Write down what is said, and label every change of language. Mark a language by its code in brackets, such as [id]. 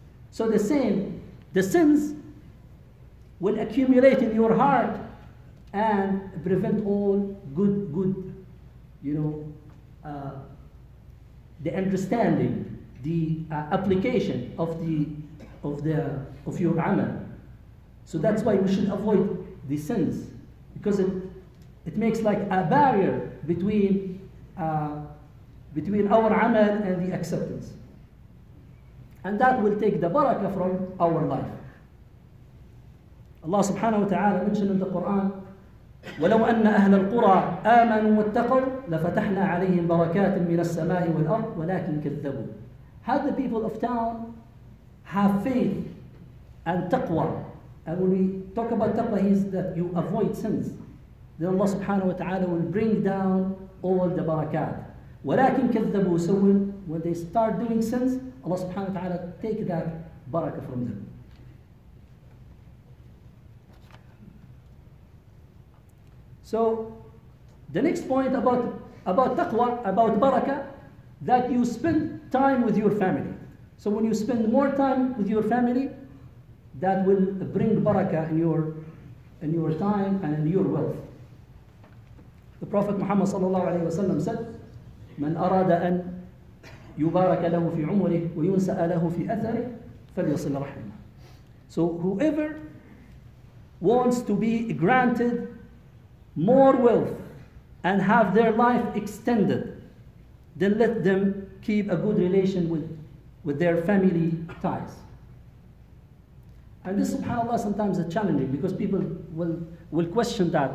[en] So the same, the sins will accumulate in your heart and prevent all good, you know, the understanding, the application of your amal. So that's why we should avoid the sins, because it makes like a barrier between our amal and the acceptance. And that will take the barakah from our life. Allah subhanahu wa ta'ala mentioned in the Quran, [ar] ولو أن أهل القرى آمنوا واتقوا لفتحنا عليهم بركات من السماء والأرض ولكن كذبوا. [en] Had the people of town have faith and taqwa, and when we talk about taqwa, he's that you avoid sins, then Allah subhanahu wa ta'ala will bring down all the barakat. [ar] ولكن كذبوا. [en] So when they start doing sins, Allah subhanahu wa ta'ala take that barakah from them. So the next point about taqwa, about barakah, that you spend time with your family. So when you spend more time with your family, that will bring barakah in your time and in your wealth. The Prophet Muhammad sallallahu alayhi wa sallam said, [ar] من أراد أن يبارك له في عمره وينسأ له في أثره فليصل رحمه. [en] So whoever wants to be granted more wealth and have their life extended, then let them keep a good relation with with their family ties. And this, subhanAllah, sometimes is challenging because people will question that.